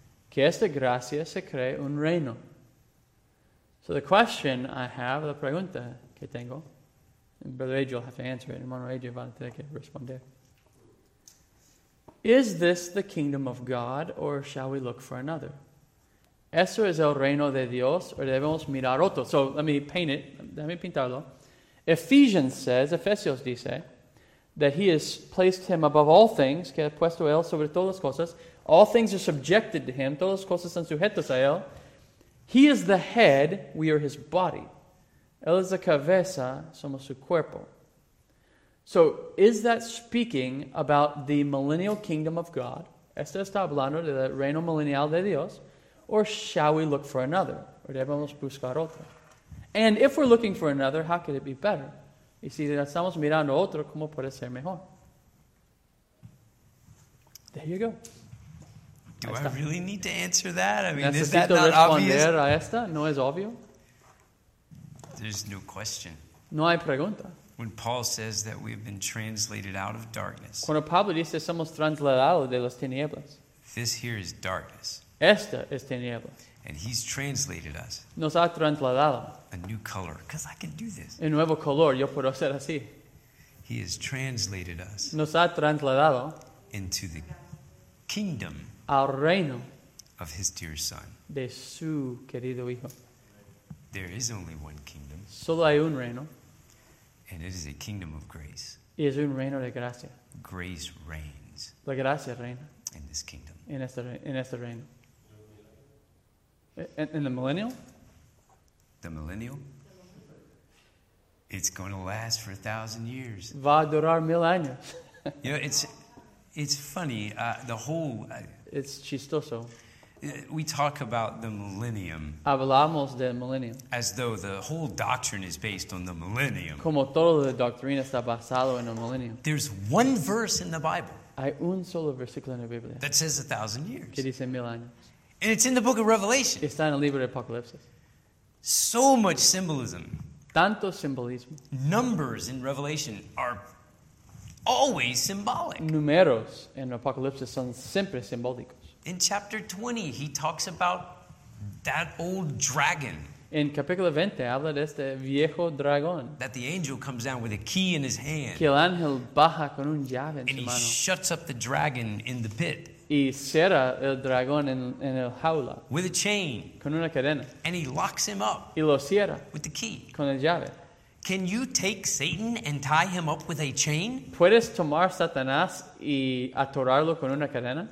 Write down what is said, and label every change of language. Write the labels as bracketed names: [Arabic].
[Spanish] Que esta gracia se crea un reino. [English] So the question I have, [Spanish] la pregunta que tengo, [English] and Brother Adrian will have to answer it, [Spanish] and Hermano Adrian va a tener que responder. [English] Is this the kingdom of God, or shall we look for another? [Spanish] ¿Eso es el reino de Dios, o debemos mirar otro? [English] So let me paint it, let me [Spanish] pintarlo. [English] Ephesians dice, that he has placed him above all things, [Spanish] que ha puesto él sobre todas las cosas. [English] All things are subjected to him, [Spanish] todas las cosas son sujetas a él. [English] He is the head, we are his body. [Spanish] Él es la cabeza, somos su cuerpo. [English] So, is that speaking about the millennial kingdom of God? [Spanish] Esto está hablando del reino millennial de Dios. [English] Or shall we look for another? [Spanish] ¿O debemos buscar otro? [English] And if we're looking for another, how could it be better? [Spanish] Y si estamos mirando otro, ¿cómo puede ser mejor? [English] There you go. Do I really need to answer that? I mean, [Spanish] necesito [English] is that not obvious? [Spanish] ¿Necesito responder a esta? ¿No es obvio? [English] There's no question. [Spanish] No hay pregunta. [English] When Paul says that we've been translated out of darkness. [Spanish] Cuando Pablo dice somos trasladados de las tinieblas. [English] This here is darkness. [Spanish] Esta es tinieblas. [English] And he's translated us. [Spanish] Nos ha trasladado. [English] A new color. Because I can do this. [Spanish] Un nuevo color. Yo puedo hacer así. [English] He has translated us. [Spanish] Nos ha trasladado. [English] Into the kingdom. [Spanish] Al reino. [English] Of his dear son. [Spanish] De su querido hijo. [English] There is only one kingdom. [Spanish] Solo hay un reino. [English] And it is a kingdom of grace. [Spanish] Y es un reino de gracia. [English] Grace reigns. [Spanish] La gracia reina. [English] In this kingdom. [Spanish] En este reino. [English] In the millennial? The millennial? It's going to last for 1,000 years. [Spanish] Va a durar mil años. [English] You know, it's funny. [Spanish] It's chistoso. [English] We talk about the millennium. [Spanish] Hablamos del millennium. [English] As though the whole doctrine is based on the millennium. [Spanish] Como toda la doctrina está basado en el millennium. [English] There's one verse in the Bible. [Spanish] Hay un solo versículo en la Biblia. [English] That says 1,000 years. [Spanish] Que dice mil años. [English] And it's in the book of Revelation. [Spanish] Está en el libro de Apocalipsis. [English] So much symbolism. [Spanish] Tanto simbolismo. [English] Numbers in Revelation are always symbolic. [Spanish] Números en Apocalipsis son siempre simbólicos. [English] In chapter 20, he talks about That old dragon. [Spanish] En capítulo 20 habla de este viejo dragón. [English] That the angel comes down with a key in his hand. [Spanish] Que el ángel baja con un llave en su mano. [English] And he shuts up the dragon in the pit. [Spanish] Y cierra el dragón en el jaula. [English] With a chain. [Spanish] Con una cadena. [English] And he locks him up. [Spanish] Y lo cierra. [English] With the key. [Spanish] Con el llave. [English] Can you take Satan and tie him up with a chain? [Spanish] ¿Puedes tomar Satanás y atorarlo con una cadena?